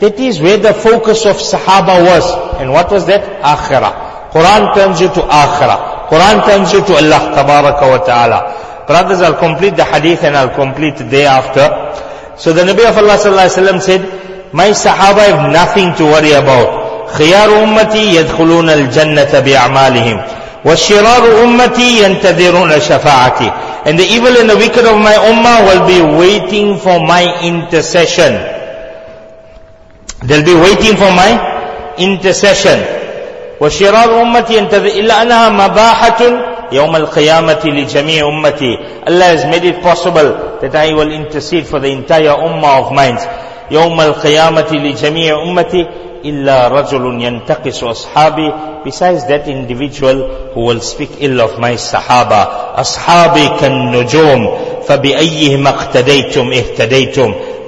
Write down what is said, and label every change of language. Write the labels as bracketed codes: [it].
[en] That is where the focus of Sahaba was. And what was that? Akhirah. Quran turns you to Akhirah. Quran turns you to Allah Tabaraka wa Ta'ala. Brothers, I'll complete the Hadith and I'll complete the day after. So the Nabi of Allah Sallallahu Alaihi Wasallam said, my Sahaba have nothing to worry about. [ar] خيار أمتي يدخلون الجنة بأعمالهم وشرار أمتي ينتظرون شفاعتي. [en] And the evil and the wicked of my ummah will be waiting for my intercession. They'll be waiting for my intercession. [ar] وشرار أمتي ينتظر إلا أنها مباحة يوم القيامة لجميع أمتي. [en] Allah has made it possible that I will intercede for the entire ummah of mine. [ar] يوم القيامة لجميع أمتي إلا رجل ينتقص أصحابي. [en] Besides that individual who will speak ill of my Sahaba. [ar] أصحابي كالنجوم فبأيهما اقتديتم اهتديتم.